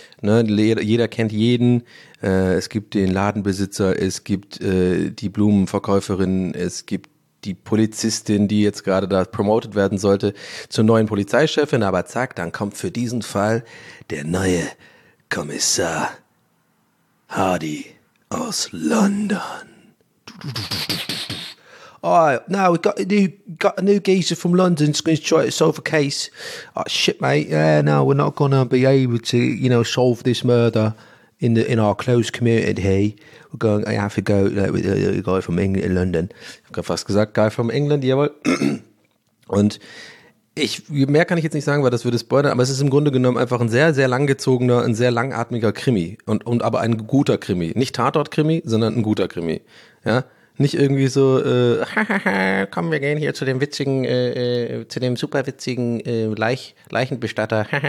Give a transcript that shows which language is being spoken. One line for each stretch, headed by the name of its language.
German: Ne, jeder kennt jeden. Es gibt den Ladenbesitzer, es gibt die Blumenverkäuferin, es gibt die Polizistin, die jetzt gerade da promoted werden sollte, zur neuen Polizeichefin. Aber zack, dann kommt für diesen Fall der neue Kommissar Hardy aus London.
English: Oh, no, we've got a new geezer from London who's going to try to solve a case. Oh, shit, mate. Yeah, no, we're not going to be able to, you know, solve this murder in the in our close community here. We're going to have to go like, with a guy from England in London.
German: Ich hab fast gesagt,
English: guy from England,
German: jawohl. Und ich, mehr kann ich jetzt nicht sagen, weil das würde spoilern, aber es ist im Grunde genommen einfach ein sehr, sehr langgezogener, ein sehr langatmiger Krimi. Und aber ein guter Krimi. Nicht Tatort-Krimi, sondern ein guter Krimi. Ja. Nicht irgendwie so, komm, wir gehen hier zu dem witzigen, zu dem super witzigen Leichenbestatter.